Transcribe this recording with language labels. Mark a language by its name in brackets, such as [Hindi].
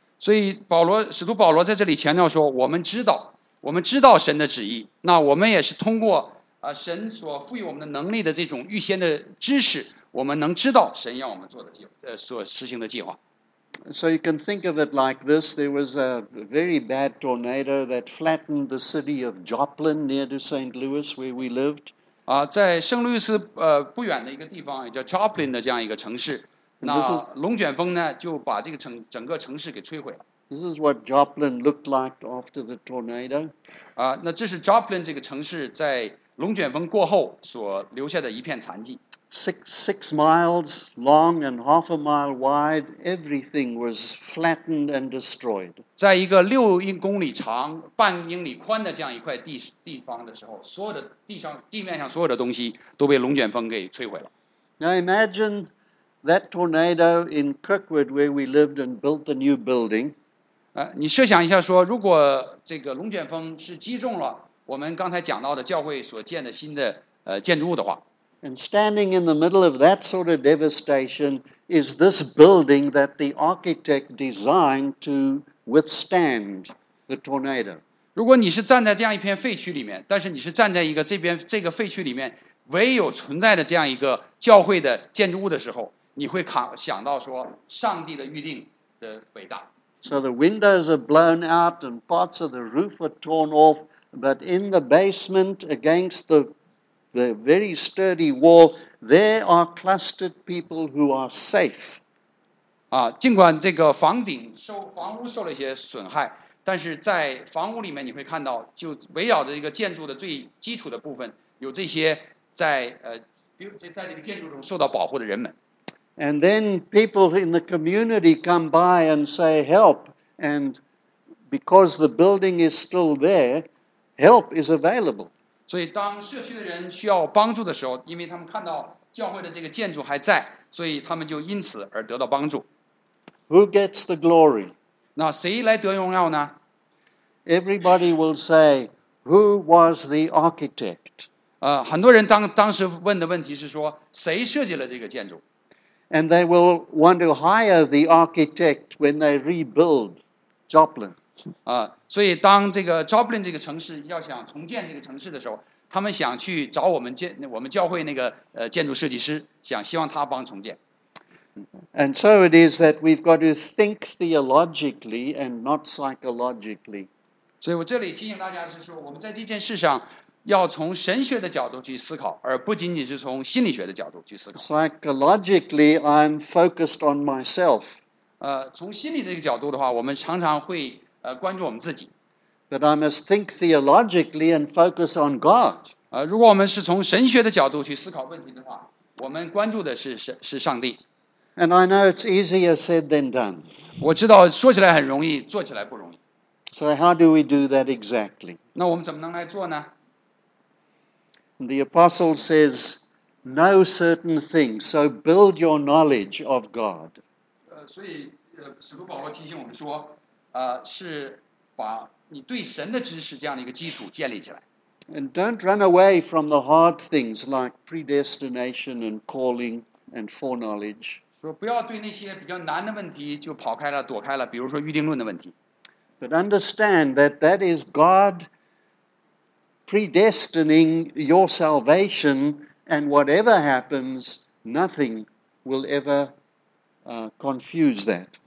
[Chinese] 所以使徒保罗在这里强调说，我们知道神的旨意，那我们也是通过神所赋予我们的能力的这种预先的知识，我们能知道神要我们做的所实行的计划。 [English] So you can think of it like this: there was a very bad tornado that flattened the city of Joplin near to St. Louis where we lived. [Chinese] 在圣路易斯不远的一个地方，也叫 Joplin 的这样一个城市。那龙卷风呢，就把这个整个城市给摧毁了。 [English] This is what Joplin looked like after the tornado. [Chinese] 那这是 Joplin 这个城市在龙卷风过后所留下的一片残迹。 [English] Six miles long and half a mile wide, everything was flattened and destroyed. [Chinese] 在一个六公里长、半英里宽的这样一块地方的时候，所有的地面上所有的东西都被龙卷风给摧毁了。 [English] Now imagine. That tornado in Kirkwood, where we lived and built the new building. [Chinese] 你设想一下说，如果这个龙卷风是击中了我们刚才讲到的教会所建的新的建筑物的话。 [English] And standing in the middle of that sort of devastation is this building that the architect designed to withstand the tornado. [Chinese] 如果你是站在这样一片废墟里面，但是你是站在一个这个废墟里面唯有存在的这样一个教会的建筑物的时候。你会想到说上帝的预定的伟大。 [English] So the windows are blown out and parts of the roof are torn off, but in the basement against the very sturdy wall, there are clustered people who are safe. [Chinese] 尽管这个房屋受了一些损害，但是在房屋里面你会看到，就围绕着一个建筑的最基础的部分，有这些在这个建筑中受到保护的人们。 [English] And then people in the community come by and say, help. And because the building is still there, help is available. [Chinese] 所以当社区的人需要帮助的时候，因为他们看到教会的这个建筑还在，所以他们就因此而得到帮助。 [English] Who gets the glory? [Chinese] 那谁来得荣耀呢？ [English] Everybody will say, who was the architect? [Chinese] 很多人当时问的问题是说，谁设计了这个建筑？ [English] And they will want to hire the architect when they rebuild Joplin. [Chinese] 所以当这个 Joplin 这个城市要想重建这个城市的时候，他们想去找我们教会那个建筑设计师，想希望他帮重建。 [English] And so it is that we've got to think theologically and not psychologically. [Chinese] 所以我这里提醒大家是说，我们在这件事上要从神学的角度去思考，而不仅仅是从心理学的角度去思考。 [English] Psychologically, I'm focused on myself. [Chinese] 从心理的一个角度的话，我们常常会关注我们自己。 [English] But I must think theologically and focus on God. [Chinese] 如果我们是从神学的角度去思考问题的话，我们关注的是上帝。 [English] And I know it's easier said than done. [Chinese] 我知道说起来很容易，做起来不容易。 [English] So how do we do that exactly? [Chinese] 那我们怎么能来做呢？ [English] The apostle says, "Know certain things." So build your knowledge of God. [Chinese] 所以使徒保罗提醒我们说，是把你对神的知识这样的一个基础建立起来。 [English] And don't run away from the hard things like predestination and calling and foreknowledge. [Chinese] 说不要对那些比较难的问题就跑开了、躲开了，比如说预定论的问题。 [English] But understand that that is God. Predestining your salvation, and whatever happens, nothing will ever confuse that.